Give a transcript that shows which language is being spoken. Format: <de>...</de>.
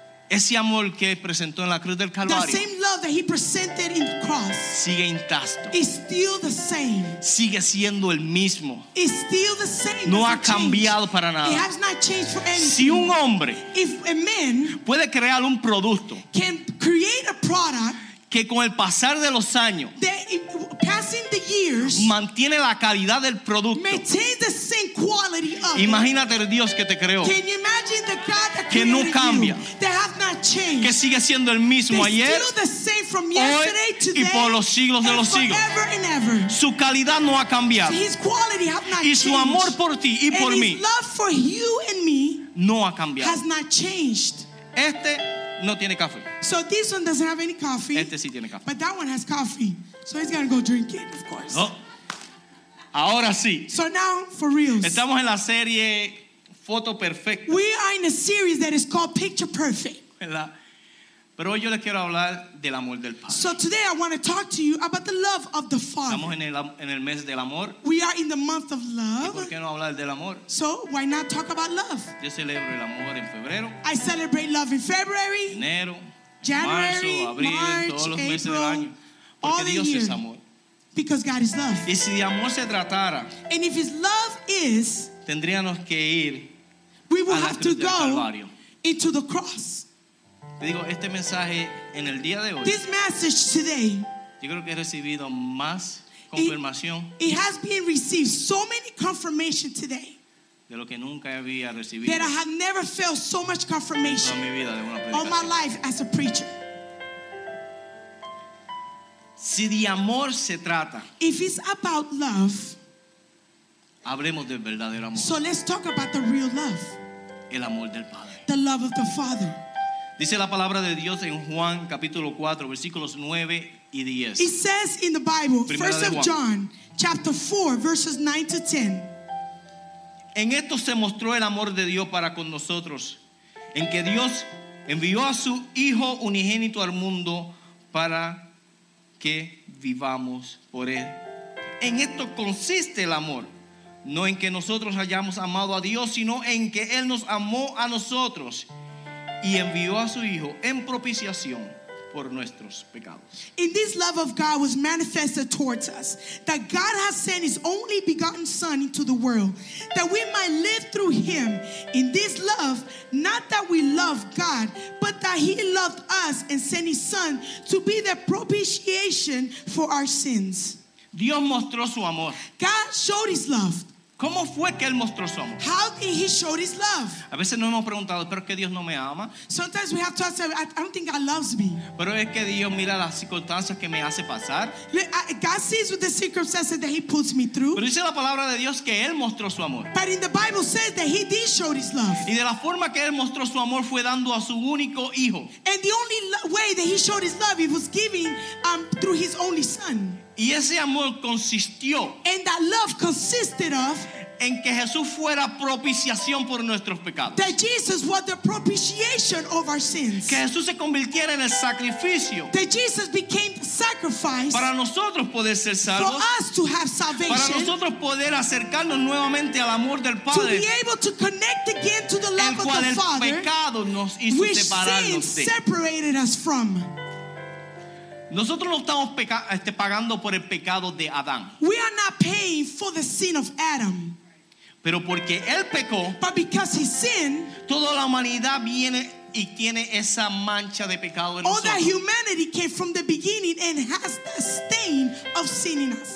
<es>Ese amor que en la cruz del Calvario,</es> <en>the same love that he presented in the cross</en> <es>sigue intacto.</es> <en>Is still the same.</en> <es>Sigue siendo el mismo.</es> <en>Is still the same.</en> <es>No ha cambiado para nada.</es> <en>It has not changed for anything.</en> <es>Si un hombre</es> <en>if a man</en> <es>puede crear un producto,</es> <en>can create a product</en> <es>que con el pasar de los años</es> <en>passing the years</en> <es>mantiene la calidad del producto</es> <en>maintain the same quality of</en> <es>imagínate el Dios que te creó</es> <en>can you imagine the God that</en> <es>que no cambia</es> <en>you, that has not changed.</en> <es>Que sigue siendo el mismo</es> <en>they're</en> <es>ayer</es> <en>still the same from yesterday,</en> <es>hoy</es> <en>today,</en> <es>y por los siglos de los siglos</es> <en>forever and ever.</en> <es>Su calidad no ha cambiado</es> <en>so his quality has not</en> <es>y su amor por ti y</es> <en>and</en> <es>por</es> <en>his</en> <es>mí</es> <en>love for you and me</en> <es>no ha cambiado</es> <en>has not changed.</en> <es>Este no tiene café.</es> <en>So this one doesn't have any coffee.</en> <es>Este sí tiene café.</es> <en>But that one has coffee. So he's going to go drink it, of course.</en> <es>Oh. Ahora sí.</es> <en>So now, for reals.</en> <es>Estamos en la serie Foto Perfecta.</es> <en>We are in a series that is called Picture Perfect.</en> <es>¿Verdad? Pero hoy yo les quiero hablar del amor del Padre.</es> <en>So today I want to talk to you about the love of the Father.</en> <es>Estamos en el mes del amor.</es> <en>We are in the month of love.</en> <es>¿Y por qué no hablar del amor?</es> <en>So why not talk about love?</en> <es>Yo celebro el amor en febrero.</es> <en>I celebrate love in February.</en> <es>Enero.</es> <en>January.</en> <es>Marzo, abril,</es> <en>March,</en> <es>todos los meses</es> <en>April,</en> <es>del año. Porque</es> <en>all</en> <es>Dios</es> <en>the year.</en> <es>Es amor.</es> <en>Because God is love.</en> <es>Y si de amor se tratara.</es> <en>And if his love is.</en> <es>Tendríamos que ir.</es> <en>We will</en> <es>a la</es> <en>have</en> <es>cruz</es> <en>to go</en> <es>Calvario.</es> <en>Into the cross.</en> <es>digo, este mensaje en el día de hoy,</es> <en>this message today,</en> <es>yo creo que he recibido más confirmación.</es> <en>It has been received so many confirmation today</en> <es>de lo que nunca había</es> <en>recibido, that I have never felt so much confirmation</en> <es>en mi vida de una predicación.</es> <en>All my life as a preacher.</en> <es>Si de amor se trata,</es> <en>if it's about love,</en> <es>hablemos del verdadero amor.</es> <en>So let's talk about the real love.</en> <es>El amor del Padre.</es> <en>The love of the Father.</en> <es>Dice la palabra de Dios en Juan capítulo 4 versículos 9 y 10.</es> <en>It says in the Bible, 1 John chapter 4 verses 9 to 10.</en> <es>En esto se mostró el amor de Dios para con nosotros, en que Dios envió a su Hijo unigénito al mundo para que vivamos por él. En esto consiste el amor, no en que nosotros hayamos amado a Dios, sino en que Él nos amó a nosotros y envió a su Hijo en propiciación por nuestros pecados.</es> <en>In this love of God was manifested towards us, that God has sent His only begotten Son into the world, that we might live through Him. In this love, not that we love God, but that He loved us and sent His Son to be the propitiation for our sins.</en> <es>Dios mostró su amor.</es> <en>God showed His love.</en> <es>¿Cómo fue que Él mostró su amor?</es> <en>How did He show His love?</en> <es>A veces nos hemos preguntado, ¿pero es que Dios no me ama?</es> <en>Sometimes we have to ask, I don't think God loves me.</en> <es>Pero es que Dios mira las circunstancias que me hace pasar.</es> <en>God sees the circumstances that He puts me through.</en> <es>Pero dice la palabra de Dios que Él mostró su amor.</es> <en>But in the Bible says that He did show His love.</en> <es>Y de la forma que Él mostró su amor fue dando a su único Hijo.</es> <en>And the only way that He showed His love, it was giving through His only Son.</en> <es>Y ese amor consistió,</es> <en>and that love consisted of,</en> <es>en que Jesús fuera propiciación por nuestros pecados.</es> <en>That Jesus was the propitiation of our sins.</en> <es>Que Jesús se convirtiera en el sacrificio.</es> <en>That Jesus became the sacrifice.</en> <es>Para nosotros poder ser salvos.</es> <en>For us to have salvation.</en> <es>Para nosotros poder acercarnos nuevamente al amor del Padre.</es> <en>To be able to connect again to the love of the Father.</en> <es>El cual el pecado nos hizo separarnos</es> <en>de. Which sin separated us from.</en> <es>Nosotros no estamos pagando por el pecado de Adán.</es> <en>We are not paying for the sin of Adam.</en> <es>Pero porque él pecó,</es> <en>but because he sinned,</en> <es>toda la humanidad viene y tiene esa mancha de pecado en</es> <en>all</en> <es>nosotros.</es> <en>All that humanity came from the beginning and has the stain of sin in us.</en>